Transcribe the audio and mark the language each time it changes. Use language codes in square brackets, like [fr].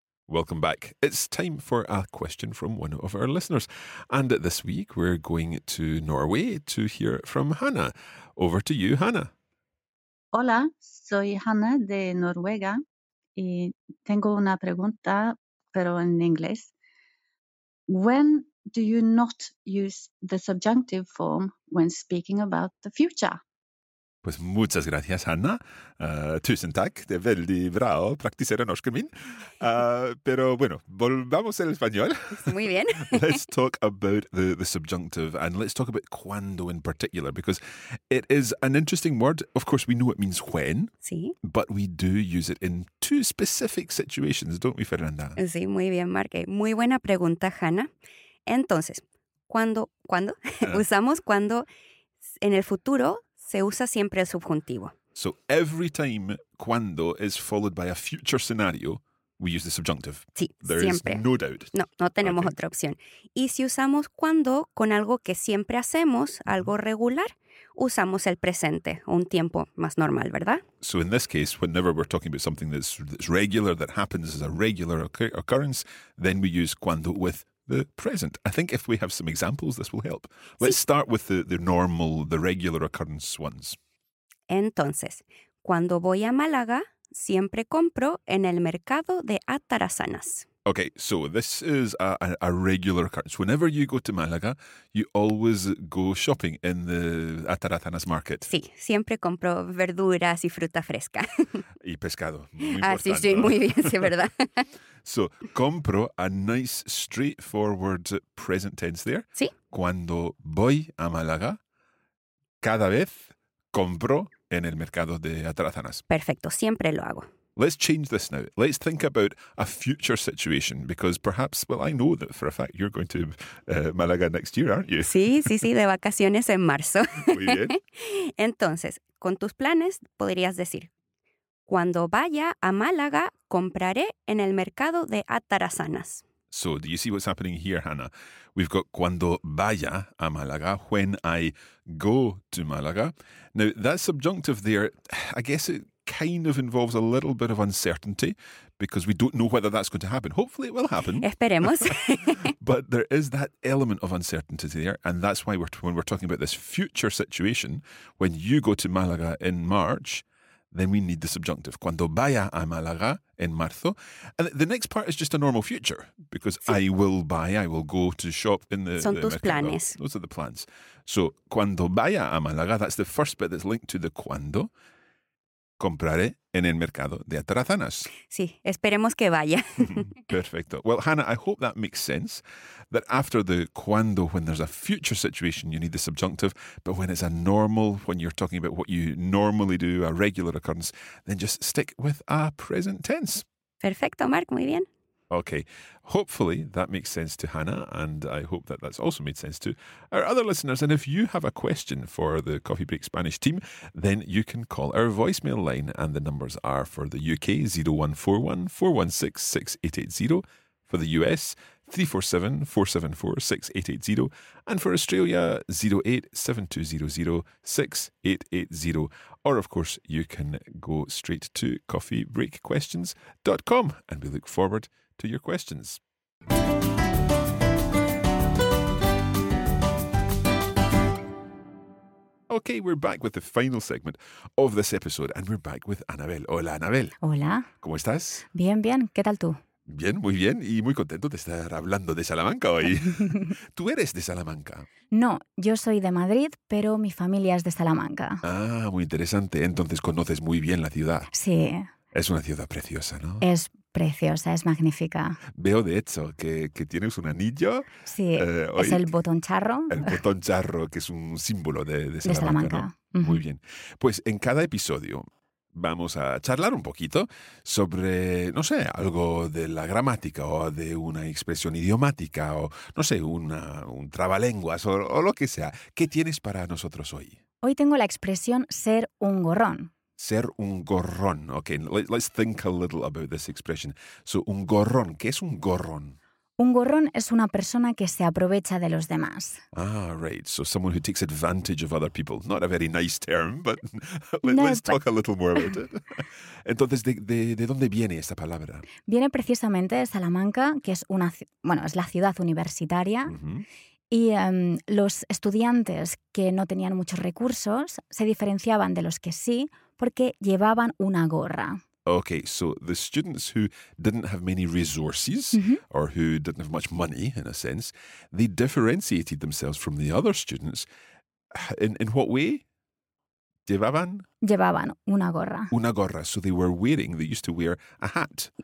[en] Welcome back. It's time for a question from one of our listeners. And this week we're going to Norway to hear from Hannah. Over to you, Hannah. [es] Hola, soy Hannah de Noruega y tengo una pregunta, pero en inglés. [en] When do you not use the subjunctive form when speaking about the future? [es] Pues muchas gracias, [no] Hannah. Tusen takk. Det er veldig bra å praktisere norsken min. [es] Pero bueno, volvamos al español. Muy bien. [en] Let's talk about the subjunctive, and let's talk about cuando in particular, because it is an interesting word. Of course, we know it means when, [es] sí. [en] But we do use it in two specific situations, don't we, Fernanda? [es] Sí, muy bien, Marque. Muy buena pregunta, Hannah. Entonces, ¿cuándo? Usamos cuando en el futuro... Se usa siempre el subjuntivo. [en] So every time cuando is followed by a future scenario, we use the subjunctive. [es] Sí, [en] there [es] siempre. [en] Is no doubt. [es] No tenemos okay. otra opción. Y si usamos cuando con algo que siempre hacemos, algo regular, usamos el presente, un tiempo más normal, ¿verdad? [en] So in this case, whenever we're talking about something that's regular, that happens as a regular occurrence, then we use cuando with the present. I think if we have some examples, this will help. Let's sí. start with the normal, the regular occurrence ones. [es] Entonces, cuando voy a Málaga, siempre compro en el mercado de Atarazanas. [en] Okay, so this is a regular occurrence. Whenever you go to Málaga, you always go shopping in the Atarazanas market. [es] Sí, siempre compro verduras y fruta fresca. Y pescado. Sí, sí, muy bien, sí, verdad. [en] So, compro, a nice straightforward present tense there. [es] Sí. Cuando voy a Málaga, cada vez compro en el mercado de Atarazanas. Perfecto, siempre lo hago. [en] Let's change this now. Let's think about a future situation because perhaps, well, I know that for a fact you're going to Málaga next year, aren't you? [es] Sí, sí, sí, de vacaciones en marzo. Muy bien. Entonces, con tus planes podrías decir, cuando vaya a Málaga, compraré en el mercado de Atarazanas. [en] So, do you see what's happening here, Hannah? We've got [es] cuando vaya a Málaga, [en] when I go to Málaga. Now, that subjunctive there, I guess it kind of involves a little bit of uncertainty because we don't know whether that's going to happen. Hopefully it will happen. [es] Esperemos. [en] But there is that element of uncertainty there, and that's why when we're talking about this future situation, when you go to Málaga in March, then we need the subjunctive. [es] Cuando vaya a Málaga en marzo. [en] And the next part is just a normal future because sí. I will go to shop in the [es] Son tus planes. [en] Those are the plans. So, [es] cuando vaya a Málaga, [en] that's the first bit that's linked to the cuando. [es] Compraré en el mercado de Atarazanas. Sí, esperemos que vaya. Perfecto. [en] Well, Hannah, I hope that makes sense, that after the cuando, when there's a future situation, you need the subjunctive, but when it's a normal, when you're talking about what you normally do, a regular occurrence, then just stick with a present tense. [es] Perfecto, Mark, muy bien. [en] Okay, hopefully that makes sense to Hannah, and I hope that that's also made sense to our other listeners. And if you have a question for the Coffee Break Spanish team, then you can call our voicemail line, and the numbers are for the UK 0141 416 6880, for the US 347 474 6880, and for Australia 0872006880. Or, of course, you can go straight to coffeebreakquestions.com, and we look forward to your questions. Okay, we're back with the final segment of this episode, and we're back with Anabel. [es] Hola, Anabel. Hola. ¿Cómo estás? Bien, bien. ¿Qué tal tú? Bien, muy bien. Y muy contento de estar hablando de Salamanca hoy. ¿Tú eres de Salamanca? No, yo soy de Madrid, pero mi familia es de Salamanca. Ah, muy interesante. Entonces conoces muy bien la ciudad. Sí. Es una ciudad preciosa, ¿no? Es preciosa, es magnífica. Veo, de hecho, que tienes un anillo. Sí, es el botón charro. El botón charro, que es un símbolo de Salamanca. De Salamanca. ¿No? Uh-huh. Muy bien. Pues en cada episodio vamos a charlar un poquito sobre, no sé, algo de la gramática o de una expresión idiomática o, no sé, un trabalenguas o lo que sea. ¿Qué tienes para nosotros hoy? Hoy tengo la expresión ser un gorrón. Ser un gorrón. [en] Okay, let's think a little about this expression. So, un gorrón. [es] ¿Qué es un gorrón? Un gorrón es una persona que se aprovecha de los demás. [en] Ah, right. So someone who takes advantage of other people. Not a very nice term, but let's talk a little more about it. [es] Entonces, ¿de dónde viene esta palabra? Viene precisamente de Salamanca, que es una, bueno, es la ciudad universitaria. Uh-huh. Y los estudiantes que no tenían muchos recursos se diferenciaban de los que sí porque llevaban una gorra. [en] Okay, so the students who didn't have many resources, mm-hmm. or who didn't have much money, in a sense, they differentiated themselves from the other students. In what way? Llevaban? [es] Llevaban una gorra. Una gorra. [en] So they were wearing, they used to wear a hat.